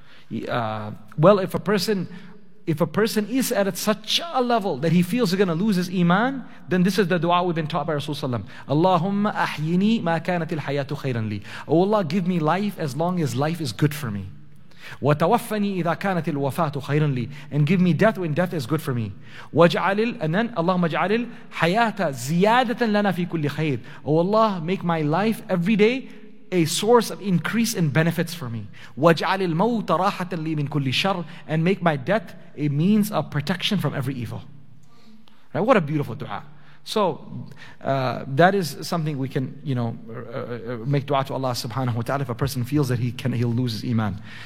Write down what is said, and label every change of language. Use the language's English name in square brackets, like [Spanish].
[English] Well, if a person is at such a level that he feels he's going to lose his iman, then this is the dua we've been taught by Rasulullah. [Arabic] Allahumma ahyini ma kanat al-hayatu khayran li. [English] Oh Allah, give me life as long as life is good for me. [Arabic] وَتَوَفَّنِي إِذَا كَانَتِ الْوَفَاةُ خَيْرًا لِي. [English] And give me death when death is good for me. [Arabic] وَجْعَلِ [English] And then [Arabic] اللَّهُمَّ اجْعَلِ الْحَيَاةَ زِيَادَةً لَنَا فِي كُلِّ خَيْرٍ. [English] Oh Allah, make my life every day a source of increase in benefits for me. [Arabic] وَجْعَلِ الْمَوْتَ رَاحَةً لِي مِن كُلِّ شَرٍ. [English] And make my death a means of protection from every evil. Right? What a beautiful dua. So that is something we can, you know, make dua to Allah subhanahu wa ta'ala if a person feels that he'll lose his iman.